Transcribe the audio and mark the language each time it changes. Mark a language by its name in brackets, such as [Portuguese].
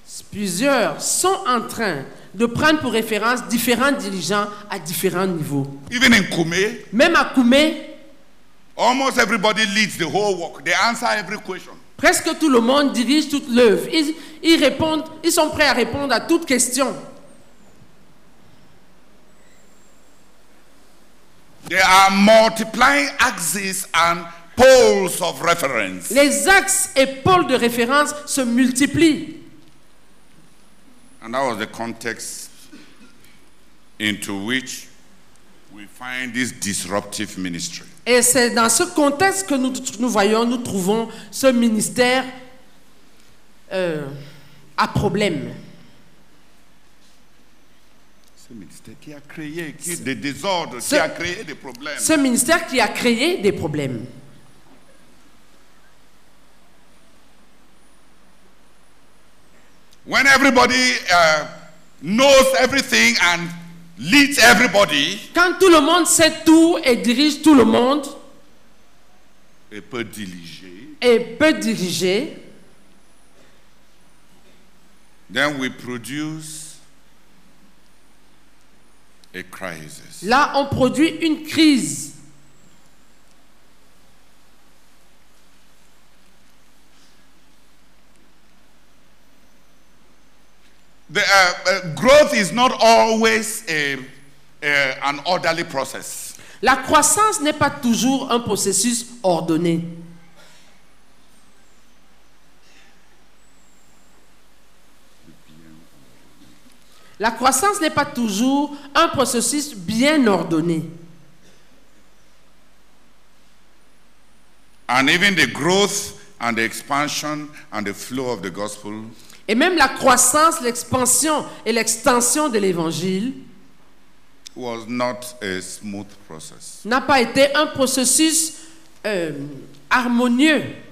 [French] Plusieurs sont en train de prendre pour référence différents dirigeants à différents niveaux. [English] Even in Koumé. [French] Même à Koumé. [English] Almost everybody leads the whole work. They answer every question. [French] Presque tout le monde dirige toute l'œuvre. Ils répondent, ils sont prêts à répondre à toute question. [English] They are multiplying axes and poles of reference. [French] Les axes et pôles de référence se multiplient. [English] And that was the context into which we find this disruptive ministry. [French] Et c'est dans ce contexte que nous voyons, nous trouvons ce ministère à problème. Ce ministère qui a créé des désordres, qui a créé des problèmes. Ce ministère qui a créé des problèmes. [English] When everybody knows everything and leads everybody. [French] Quand tout le monde sait tout et dirige tout le monde. Et peut diriger. Et peut diriger. [English] Then we produce a crisis. [French] Là, on produit une crise. [English] The growth is not always an orderly process. [French] La croissance n'est pas toujours un processus ordonné. La croissance n'est pas toujours un processus bien ordonné. [English] And even the growth and the expansion and the flow of the gospel. [French] Et même la croissance, l'expansion et l'extension de l'évangile [English] was not a smooth process. [French] N'a pas été un processus harmonieux.